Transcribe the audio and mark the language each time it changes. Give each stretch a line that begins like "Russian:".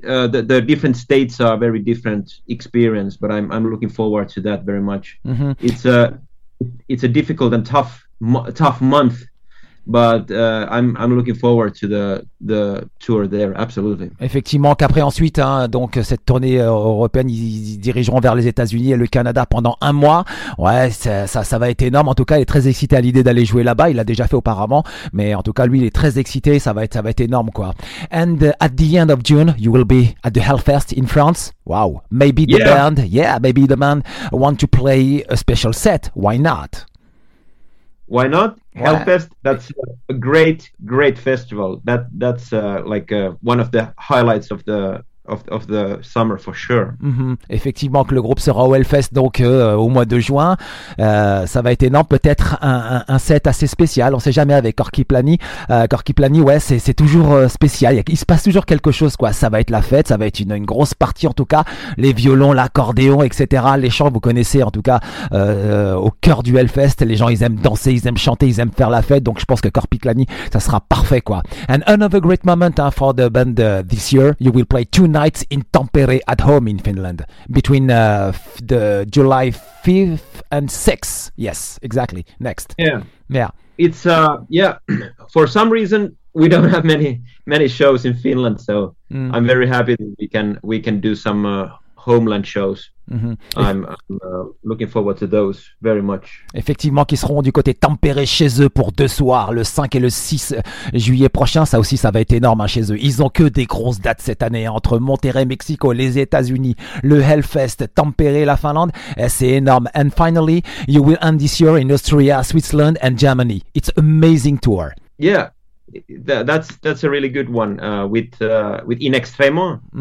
English: The different states are very different experience, but I'm looking forward to that very much. Mm-hmm. It's a difficult and tough month. But I'm looking forward to the tour there, absolutely.
French: Effectivement, qu'après ensuite, hein, donc cette tournée européenne, ils dirigeront vers les États-Unis et le Canada pendant un mois. Ouais, ça va être énorme. En tout cas, il est très excité à l'idée d'aller jouer là-bas. Il l'a déjà fait auparavant, mais en tout cas, lui, il est très excité. Ça va être énorme, quoi.
English: And at the end of June, you will be at the Hellfest in France. Wow. Maybe the band, maybe the band want to play a special set. Why not? Why not? Hellfest, that's a great, great festival. That's like one of the highlights of the of the summer for sure. Mm-hmm.
French: Effectivement, que le groupe sera au Hellfest donc au mois de juin, ça va être énorme. Peut-être un set assez spécial. On sait jamais avec Corky Plany. Corky Plany, ouais, c'est toujours spécial. Il se passe toujours quelque chose, quoi. Ça va être la fête. Ça va être une grosse partie en tout cas. Les violons, l'accordéon, etc. Les chants, vous connaissez en tout cas au cœur du Hellfest. Les gens, ils aiment danser, ils aiment chanter, ils aiment faire la fête. Donc, je pense que Corky Plany, ça sera parfait, quoi.
English: And another great moment for the band this year. You will play two nights in Tampere at home in Finland between the July 5th and 6th. Yes, exactly. Next. Yeah. It's for some reason we don't have many shows in Finland, so I'm very happy that we can do some homeland shows. Mm-hmm. I'm looking forward to those very much.
French: Effectivement, qui seront du côté Tampere chez eux pour deux soirs, le 5 et le 6 juillet prochain. Ça aussi, ça va être énorme, hein, chez eux. Ils ont que des grosses dates cette année, hein, entre Monterrey, Mexico, les États-Unis, le Hellfest, Tampere, la Finlande. Et c'est énorme.
English: And finally, you will end this year in Austria, Switzerland and Germany. It's an amazing tour. Yeah, that's a really good one with In Extremo.